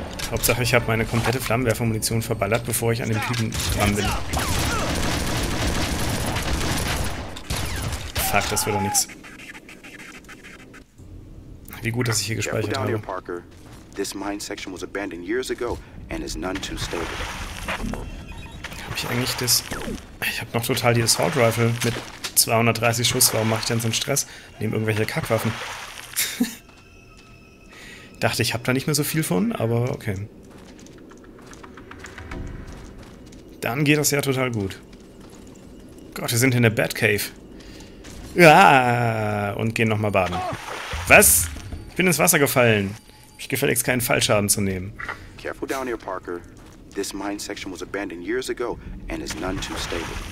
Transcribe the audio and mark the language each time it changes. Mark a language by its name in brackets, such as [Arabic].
[German] Hauptsache, ich habe meine komplette Flammenwerfermunition verballert, bevor ich an den Typen dran bin. Fuck, das wird doch nichts. Wie gut, dass ich hier gespeichert habe. Parker. [English] This mine section was abandoned years ago and is none too stable. [German] Habe ich eigentlich das... Ich habe noch total die Assault Rifle mit 230 Schuss. Warum mache ich denn so einen Stress? Nehme irgendwelche Kackwaffen. Dachte, ich habe da nicht mehr so viel von, aber okay. Dann geht das ja total gut. Gott, wir sind in der Batcave. Ja, und gehen nochmal baden. Was? Ich bin ins Wasser gefallen. Mich gefälligst keinen Fallschaden zu nehmen. [English] Careful down here, Parker. This mine section was abandoned years ago and is none too stable.